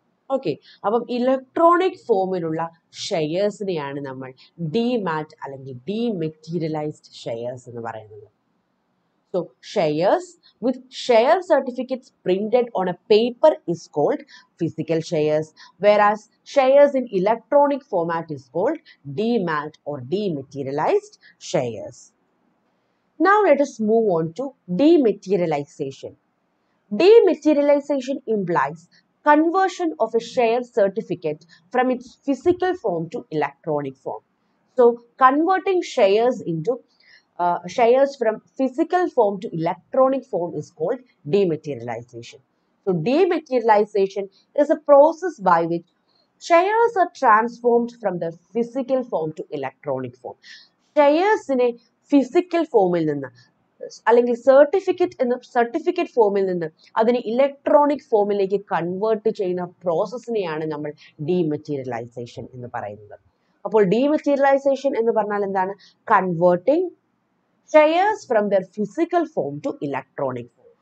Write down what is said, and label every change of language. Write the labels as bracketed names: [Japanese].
[Malayalam] Okay, അപ്പം electronic ഫോമിലുള്ള ഷെയർസിനെയാണ് നമ്മൾ ഡിമാറ്റ് അല്ലെങ്കിൽ ഡിമെറ്റീരിയലൈസ്ഡ് ഷെയർസ് എന്ന് പറയുന്നത്. [English] So shares with share certificates printed on a paper is called physical shares, whereas shares in electronic format is called demat or dematerialized shares. Now let us move on to dematerialization. Dematerialization implies conversion of a share certificate from its physical form to electronic form. So converting shares into shares from physical form to electronic form is called dematerialization. So dematerialization is a process by which shares are transformed from the physical form to electronic form. Shares in a [Malayalam] physical ഫോമിൽ നിന്ന് അല്ലെങ്കിൽ certificate ഫോമിൽ നിന്ന് അതിനെ electronic ഫോമിലേക്ക് convert ചെയ്യുന്ന പ്രോസസ്സിനെയാണ് നമ്മൾ dematerialisation എന്ന് പറയുന്നത്. അപ്പോൾ ഡിമെറ്റീരിയലൈസേഷൻ എന്ന് പറഞ്ഞാൽ എന്താണ്? [English] Converting shares from the physical form to electronic form.